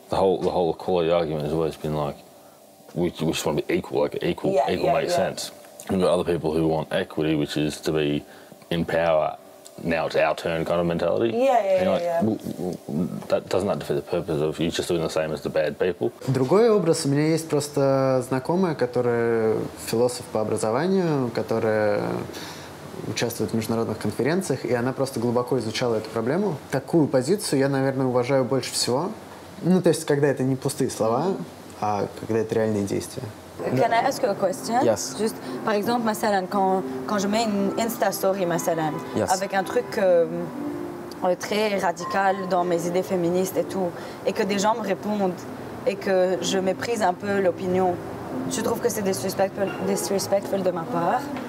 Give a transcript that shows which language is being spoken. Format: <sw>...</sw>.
<en>The whole equality argument has always been like, we just want to be equal, like equal, yeah, equal, yeah, makes, yeah, sense. And there are other people who want equity, which is to be in power, now it's our turn kind of mentality. Yeah. That doesn't defeat the purpose of you just doing the same as the bad people.</en> <ru>Другой образ, у меня есть просто знакомая, которая философ по образованию, которая участвует в международных конференциях, и она просто глубоко изучала эту проблему. Такую позицию я, наверное, уважаю больше всего. Ну, то есть, когда это не пустые слова,</ru> <en>Can I ask you a question? Yes.</en> <fr>Just, par exemple, Masalan, quand je mets une Insta story, Masalan,</fr> <en>yes,</en> <fr>avec un truc très radical dans mes idées féministes et tout, et que des gens me répondent et que je méprise un peu l'opinion, tu trouves que c'est disrespectful de ma part?</fr>